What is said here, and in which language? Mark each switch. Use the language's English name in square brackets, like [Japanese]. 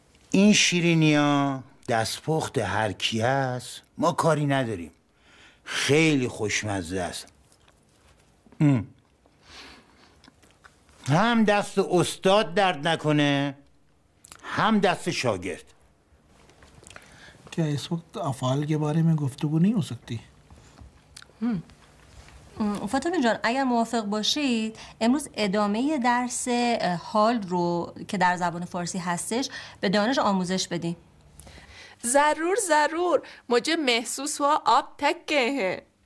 [Persian] این شیرینیا دستپخت هر کی است، ما کاری نداریم. خیلی خوشمزه است. هم دست استاد درد نکنه، هم دست شاگرد. [Urdu] که اس وقت افعال کے بارے میں گفتگو نہیں ہو سکتی. [Persian] فاطمه جان، اگر موافق باشید امروز ادامه درس حال رو که در زبان فارسی هستش به دانش آموزش بدیم. [Urdu] ضرور ضرور، مجھے محسوس ہوا آپ تھک گئے ہیں.